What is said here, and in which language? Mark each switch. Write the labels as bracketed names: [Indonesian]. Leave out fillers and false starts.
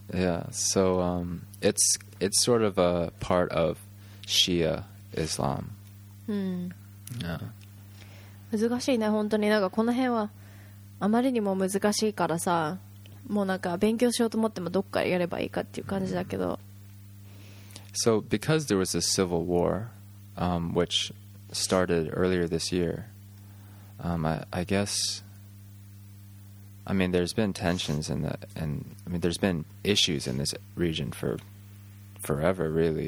[English] Yeah, so it's sort of a part of Shia Islam. Hmm. Yeah. [Japanese] 難しいね、本当に。なんかこの辺はあまりにも難しいからさ、もうなんか勉強しようと思ってもどっからやればいいかっていう感じだけど。 [English] So because there was a civil war, which started earlier this year, I guess... I mean, there's been tensions there's been issues in this region for forever, really.